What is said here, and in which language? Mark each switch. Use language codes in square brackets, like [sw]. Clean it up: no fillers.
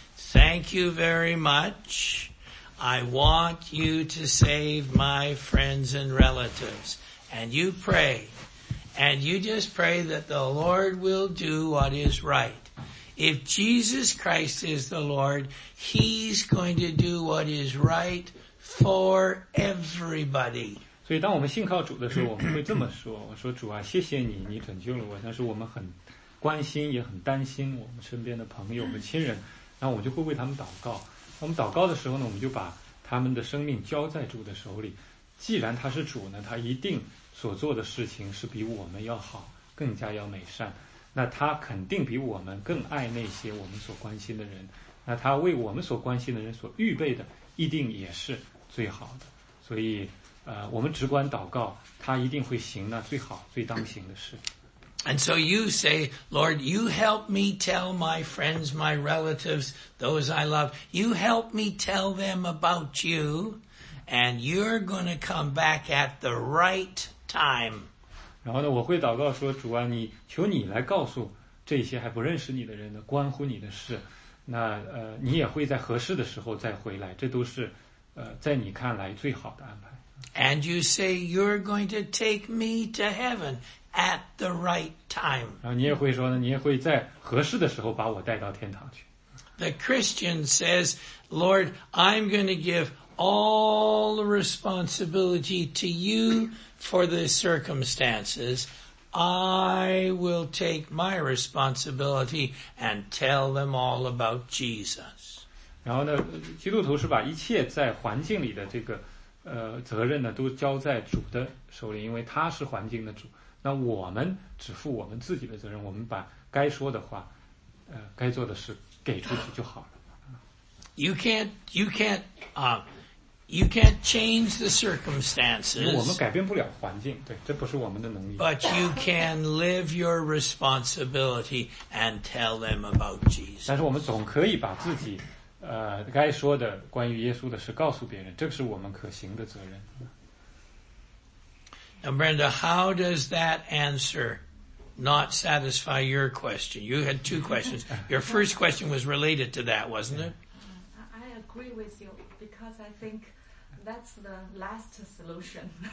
[en] Thank you very much. I want you to save my friends and relatives. And you pray. And you just pray that the Lord will do what is right. If Jesus Christ is the Lord, He's going to do what is right for everybody. [zh] 所以当我们信靠主的时候，我们会这么说，我说主啊，谢谢你，你拯救了我，但是我们很关心也很担心我们身边的朋友和亲人，然后我就会为他们祷告。我们祷告的时候呢，我们就把他们的生命交在主的手里。既然他是主呢，他一定所做的事情是比我们要好，更加要美善。那他肯定比我们更爱那些我们所关心的人，那他为我们所关心的人所预备的一定也是最好的。所以我们只管祷告，他一定会行那最好最当行的事。 [en] And so you say, Lord, you help me tell my friends, my relatives, those I love, you help me tell them about you, and you're going to come back at the right time. [zh] 然后呢，我会祷告说，主啊，你求你来告诉这些还不认识你的人的关乎你的事，那你也会在合适的时候再回来，这都是在你看来最好的安排。 [en] And you say you're going to take me to heaven at the right time. [zh] 然后你也会说呢，你也会在合适的时候把我带到天堂去。 [en] The Christian says, Lord, I'm going to give all the responsibility to you for the circumstances. I will take my responsibility and tell them all about Jesus. [zh] 然后呢，基督徒是把一切在环境里的这个责任呢都交在主的手里，因为他是环境的主。那我们只负我们自己的责任，我们把该说的话该做的事给出去就好了。 [en] You can't change the circumstances. [zh] 我们改变不了环境，对，这不是我们的能力。 [en] But you can live your responsibility and tell them about Jesus. [zh] 但是我们总可以把自己该说的关于耶稣的事告诉别人，这是我们可行的责任。 [en] Now, Brenda, how does that answer not satisfy your question? You had two questions. Your first question was related to that, wasn't it? I agree with you because I think that's the last solution.